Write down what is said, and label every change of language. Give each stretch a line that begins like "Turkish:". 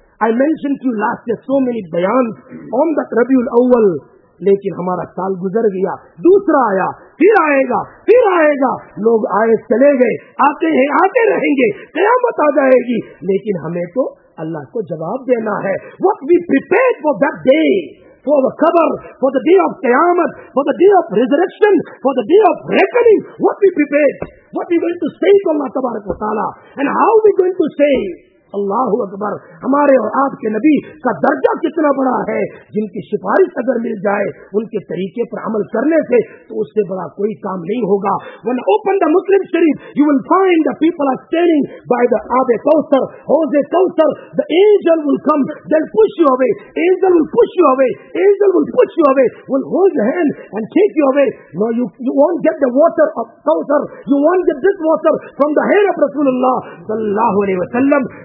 English: I mention to you last so many بیان on the
Urdu: ربیع الاول, لیکن ہمارا سال گزر گیا, دوسرا آیا, پھر آئے گا, پھر آئے گا. لوگ آئے چلے گئے, آتے ہیں آتے رہیں گے, قیامت آ جائے گی, لیکن ہمیں تو اللہ کو جواب دینا ہے.
English: What we prepared for that day, for the قبر, for the day of قیامت, for the day of resurrection, for the day of reckoning, what we prepared, what we going to say to Allah تبارک و تعالیٰ, and how we going to say.
Urdu: اللہ اکبر, ہمارے اور آپ کے نبی کا درجہ کتنا بڑا ہے, جن کی سفارش اگر مل جائے ان کے طریقے پر عمل کرنے سے تو اس سے بڑا کوئی کام نہیں ہوگا.
English: When I open the Muslim Sharif, you will find the people are standing by the Abe Kausar, Hose Kausar. The angel will come, they'll push you away, angel will push you away, angel will push you away, will hold your hand and take you away. No, you won't get the water of Kausar, you won't get this water from the hair of Rasulullah sallallahu alayhi wa sallam.